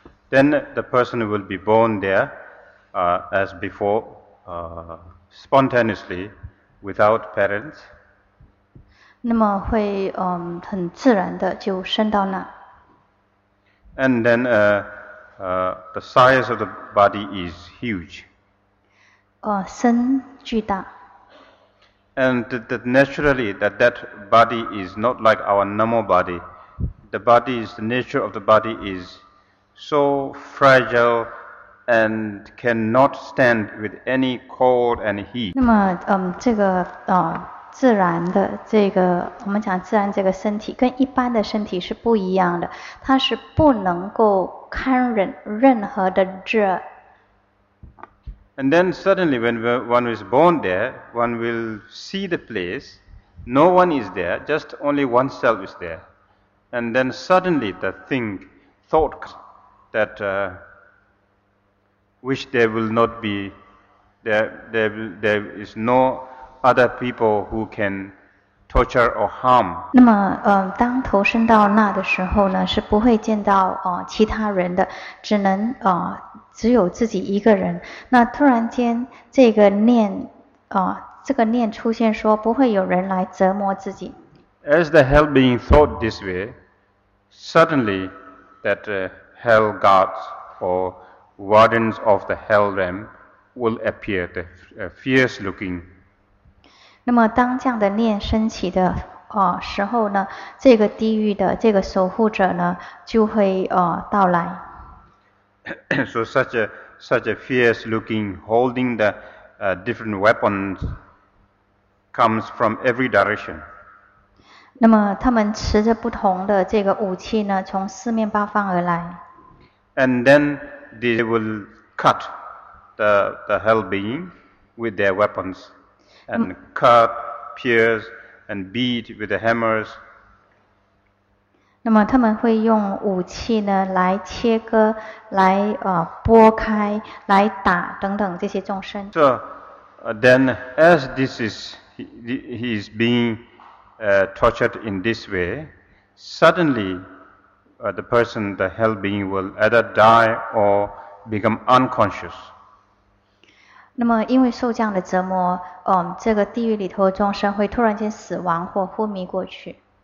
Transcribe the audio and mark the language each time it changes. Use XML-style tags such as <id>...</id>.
<en>Then the person will be born there, as before, spontaneously, without parents.</en> <zh>那么会很自然的就升到那。</zh> <en>And then the size of the body is huge.</en> <zh>身巨大。</zh> <en>And that naturally that body is not like our normal body. The body is the nature of the body is so fragile. And cannot stand with any cold and heat.</en> <zh>那么这个自然的这个我们讲自然这个身体跟一般的身体是不一样的，它是不能够堪忍任何的热。</zh> <en>And then suddenly when one is born there, one will see the place, no one is there, just only oneself is there. And then suddenly the thought that which there will not be, there is no other people who can torture or harm.</en> <zh>那么当投身到那的时候呢，是不会见到其他人的，只能只有自己一个人。那突然间这个念出现说不会有人来折磨自己。</zh> <en>As the hell being thought this way, suddenly that hell guards orwardens of the hell realm will appear, the fierce looking.</en> <zh>那么当这样的念升起的时候呢，这个地狱的这个守护者呢就会到来。</zh> <en>So such a fierce looking, holding the different weapons, comes from every direction.</en> <zh>那么他们持着不同的这个武器呢，从四面八方而来。</zh> <en>And then. They will cut the hell being with their weapons and cut, pierce, and beat with the hammers.</en> <zh>那么他们会用武器呢来切割，来拨开，来打等等这些众生。</zh> <en>So then, as this is he is being tortured in this way, suddenly. The person, the hell being, will either die or become unconscious.</en> <zh>那么因为受这样的折磨，这个地狱里头的众生会突然间死亡或昏迷过去。</zh>